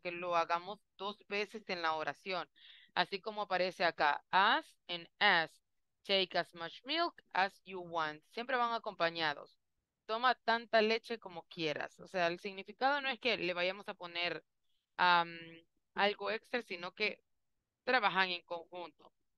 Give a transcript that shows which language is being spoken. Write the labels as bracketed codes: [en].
[es] Que lo hagamos dos veces en la oración. Así como aparece acá, as and as, [en] take as much milk as you want. [es] Siempre van acompañados. Toma tanta leche como quieras. O sea, el significado no es que le vayamos a poner algo extra, sino que trabajan en conjunto.